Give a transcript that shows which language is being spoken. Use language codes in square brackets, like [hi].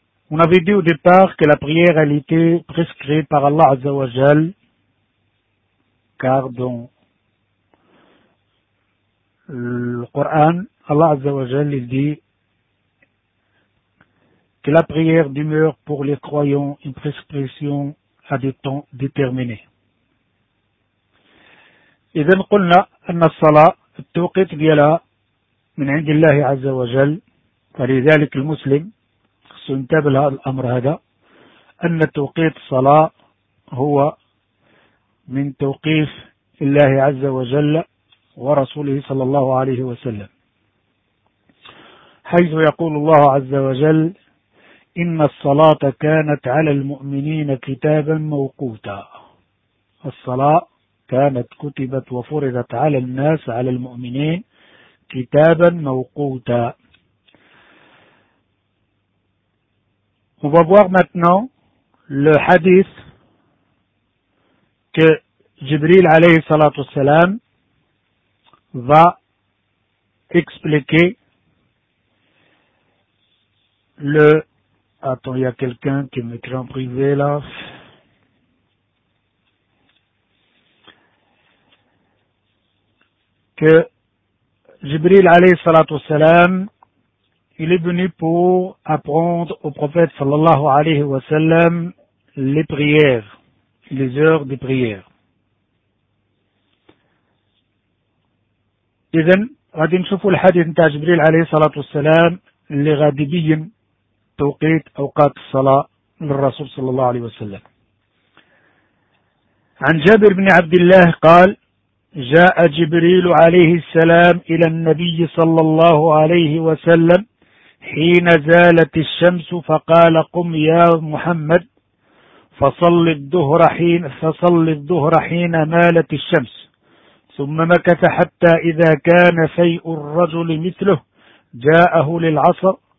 [fr] On avait dit au départ que la prière elle était prescrite par Allah Azza wa Jal, car dans le Coran, Allah Azza wa Jal il dit que la prière demeure pour les croyants une prescription à des temps déterminés. [ar] إذن قلنا أن الصلاة التوقيت ديالها من عند الله عز وجل، فلذلك المسلم سنتبه لهذا الأمر، هذا أن توقيت الصلاة هو من توقيف الله عز وجل ورسوله صلى الله عليه وسلم، حيث يقول الله عز وجل إن الصلاة كانت على المؤمنين كتابا موقوتا. الصلاة كانت كتبت وفرضت على الناس على المؤمنين كتابا موقوتا. [fr] On va voir maintenant le hadith que Jibril عليه الصلاة والسلام va expliquer le... Attends, il y a quelqu'un qui m'écrit en privé là. Que Jibril alayhi salatu wasalam, il est venu pour apprendre au prophète sallallahu alayhi wa sallam les prières, les heures de prière. Et bien, [ar] غادي نشوفوا الحديث نتاع جبريل عليه الصلاه والسلام اللي غادي يبين توقيت اوقات الصلاه للرسول صلى الله عليه وسلم. عن جابر بن عبد الله قال: جاء جبريل عليه السلام إلى النبي صلى الله عليه وسلم حين زالت الشمس فقال قم يا محمد فصل الظهر حين مالت الشمس ثم مكث حتى إذا كان فيء الرجل مثله جاءه للعصر